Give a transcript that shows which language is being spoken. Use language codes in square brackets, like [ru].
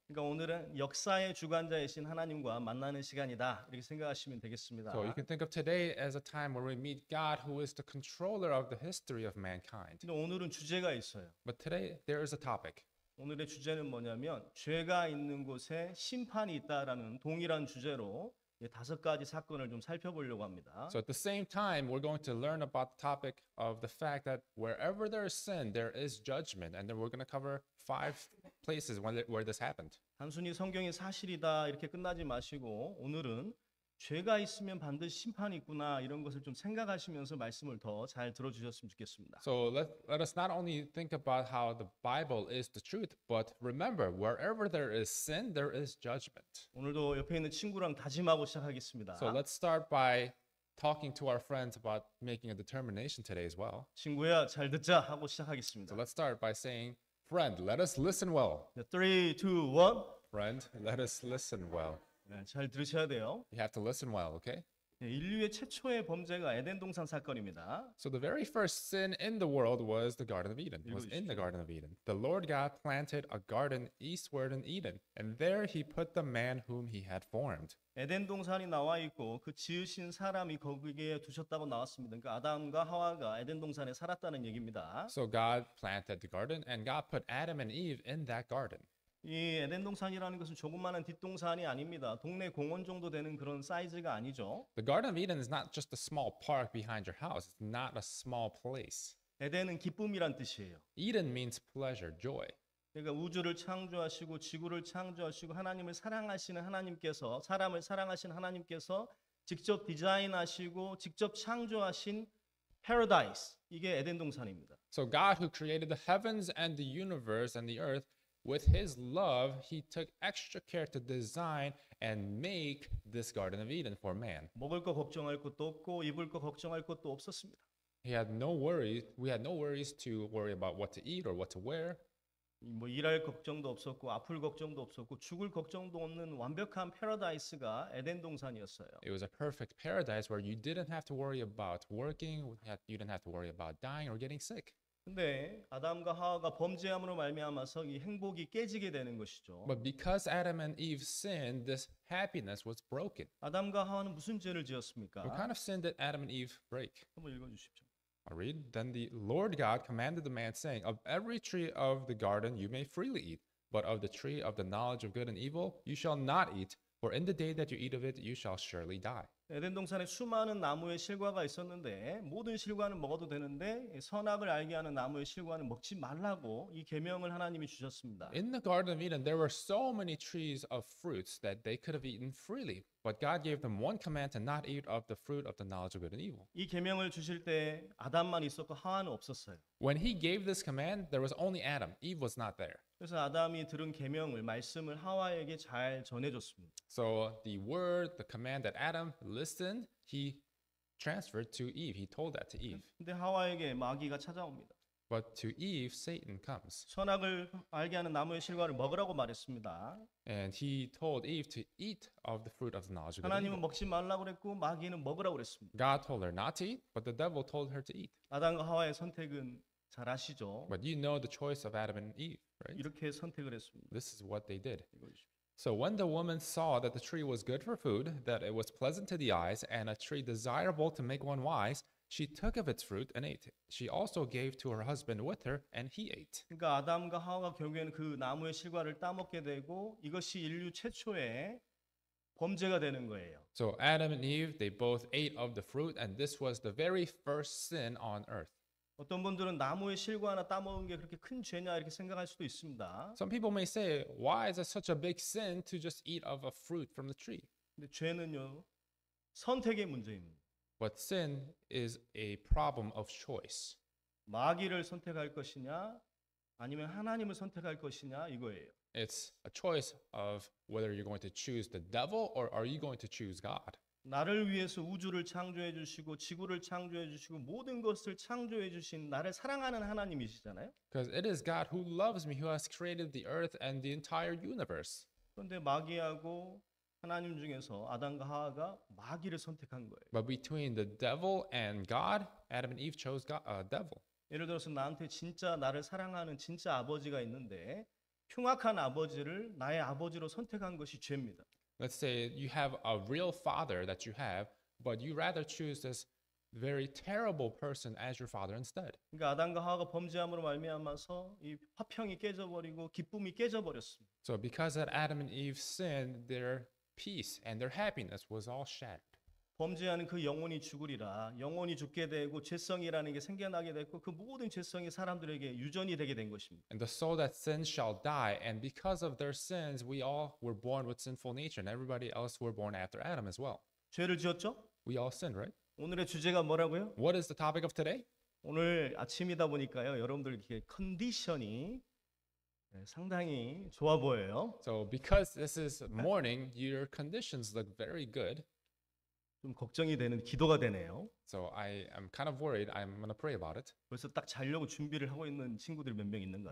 [ko] 그러니까 오늘은 역사의 주관자이신 하나님과 만나는 시간이다 이렇게 생각하시면 되겠습니다. [en] So you can think of today as a time where we meet God, who is the controller of the history of mankind. [ko] 근데 오늘은 주제가 있어요. [en] But today there is a topic. [ko] 오늘의 주제는 뭐냐면 죄가 있는 곳에 심판이 있다라는 동일한 주제로 다섯 가지 사건을 좀 살펴보려고 합니다. [en] So at the same time, we're going to learn about the topic of the fact that wherever there is sin, there is judgment, and then we're going to cover five places where this happened. [ko] 단순히 성경이 사실이다 이렇게 끝나지 마시고 오늘은 죄가 있으면 반드시 심판이 있구나 이런 것을 좀 생각하시면서 말씀을 더 잘 들어주셨으면 좋겠습니다. [en] So let us not only think about how the Bible is the truth, but remember wherever there is sin, there is judgment. [ko] 오늘도 옆에 있는 친구랑 다짐하고 시작하겠습니다. [en] So let's start by talking to our friends about making a determination today as well. [ko] 친구야, 잘 듣자 하고 시작하겠습니다. [en] So let's start by saying, friend, let us listen well. [ko] 3, 2, 1. [en] Friend, let us listen well. [ko] 네, 잘 들으셔야 돼요. [en] You have to listen well, okay? [ko] 네, 인류의 최초의 범죄가 에덴 동산 사건입니다. [en] So the very first sin in the world was the Garden of Eden. It was in the Garden of Eden. The Lord God planted a garden eastward in Eden, and there he put the man whom he had formed. [ko] 에덴 동산이 나와 있고 그 지으신 사람이 거기에 두셨다고 나왔습니다. 그러니까 아담과 하와가 에덴 동산에 살았다는 얘기입니다. [en] So God planted the garden and God put Adam and Eve in that garden. [ko] 이 에덴 동산이라는 것은 조그마한 뒷동산이 아닙니다. 동네 공원 정도 되는 그런 사이즈가 아니죠. [en] The Garden of Eden is not just a small park behind your house. It's not a small place. [ko] 에덴은 기쁨이란 뜻이에요. [en] Eden means pleasure, joy. [ko] 그러니까 우주를 창조하시고 지구를 창조하시고 하나님을 사랑하시는 하나님께서 사람을 사랑하시는 하나님께서 직접 디자인하시고 직접 창조하신 Paradise. 이게 에덴 동산입니다. [en] So God who created the heavens and the universe and the earth with his love, he took extra care to design and make this Garden of Eden for man. [ko] 먹을 거 걱정할 것도 없고 입을 거 걱정할 것도 없었습니다. [en] He had no worries. We had no worries to worry about what to eat or what to wear. [ko] 뭐 일할 걱정도 없었고 아플 걱정도 없었고 죽을 걱정도 없는 완벽한 파라다이스가 에덴 동산이었어요. [en] It was a perfect paradise where you didn't have to worry about working, you didn't have to worry about dying or getting sick. [ko] 근데 아담과 하와가 범죄함으로 말미암아서 이 행복이 깨지게 되는 것이죠. [en] But because Adam and Eve sinned, this happiness was broken. [ko] 아담과 하와는 무슨 죄를 지었습니까? [en] What kind of sin did Adam and Eve break? [ko] 한번 읽어주십시오. [en] I'll read. Then the Lord God commanded the man, saying, "Of every tree of the garden you may freely eat, but of the tree of the knowledge of good and evil you shall not eat, for in the day that you eat of it you shall surely die." [ko] 에덴 동산에 수많은 나무의 실과가 있었는데 모든 실과는 먹어도 되는데 선악을 알게 하는 나무의 실과는 먹지 말라고 이 계명을 하나님이 주셨습니다. [en] In the Garden of Eden, there were so many trees of fruits that they could have eaten freely, but God gave them one command to not eat of the fruit of the knowledge of good and evil. [ko] 이 계명을 주실 때 아담만 있었고 하와는 없었어요. [en] When He gave this command, there was only Adam. Eve was not there. [ko] 그래서 아담이 들은 계명을 말씀을 하와에게 잘 전해줬습니다. [en] So the word, the command that Adam listened, he transferred to Eve. He told that to Eve. [ko] 근데 하와에게 마귀가 찾아옵니다. [en] But to Eve, Satan comes. [ko] 선악을 알게 하는 나무의 실과를 먹으라고 말했습니다. [en] And he told Eve to eat of the fruit of the knowledge of good and evil. [ko] 하나님은 먹지 말라고 그랬고 마귀는 먹으라고 그랬습니다. [en] God told her not to eat, but the devil told her to eat. [ko] 아담과 하와의 선택은 잘 아시죠? [en] But you know the choice of Adam and Eve, right? [ko] 이렇게 선택을 했습니다. [en] This is what they did. So when the woman saw that the tree was good for food, that it was pleasant to the eyes, and a tree desirable to make one wise, she took of its fruit and ate. She also gave to her husband with her, and he ate. [ko] 그러니까 아담과 하와가 결국에는 그 나무의 실과를 따먹게 되고 이것이 인류 최초의 범죄가 되는 거예요. [en] So Adam and Eve, they both ate of the fruit, and this was the very first sin on earth. [ko] 어떤 분들은 나무의 실과 하나 따먹은 게 그렇게 큰 죄냐 이렇게 생각할 수도 있습니다. [en] Some people may say, why is it such a big sin to just eat of a fruit from the tree? [ko] 근데 죄는요, 선택의 문제입니다. [en] But sin is a problem of choice. [ko] 마귀를 선택할 것이냐, 아니면 하나님을 선택할 것이냐 이거예요. [en] It's a choice of whether you're going to choose the devil or are you going to choose God. [ko] 나를 위해서 우주를 창조해 주시고 지구를 창조해 주시고 모든 것을 창조해 주신 나를 사랑하는 하나님이시잖아요. [en] Because it is God who loves me, who has created the earth and the entire universe. [ko] 그런데 마귀하고 하나님 중에서 아담과 하와가 마귀를 선택한 거예요. [en] But between the devil and God, Adam and Eve chose God, devil. [ko] 예를 들어서 나한테 진짜 나를 사랑하는 진짜 아버지가 있는데 흉악한 아버지를 나의 아버지로 선택한 것이 죄입니다. [en] Let's say you have a real father that you have, but you rather choose this very terrible person as your father instead. [ko] 그러니까 아담과 하와가 범죄함으로 말미암아서 이 화평이 깨져버리고 기쁨이 깨져버렸습니다. [en] So because that Adam and Eve sinned, their peace and their happiness was all shattered. [ko] 범죄하는 그 영혼이 죽으리라. 영혼이 죽게 되고 죄성이라는 게 생겨나게 됐고 그 모든 죄성이 사람들에게 유전이 되게 된 것입니다. [en] And the soul that sins shall die, and because of their sins, we all were born with sinful nature, and everybody else were born after Adam as well. [ko] 죄를 지었죠? [en] We all sinned, right? [ko] 오늘의 주제가 뭐라고요? [en] What is the topic of today? [ko] 오늘 아침이다 보니까요, 여러분들 이렇게 컨디션이 상당히 좋아 보여요. [en] So because this is morning, your conditions look very good. [ko] 좀 걱정이 되는 기도가 되네요. [en] So I am kind of worried. I'm gonna pray about it. [ko] 벌써 딱 자려고 준비를 하고 있는 친구들 몇 명 있는가?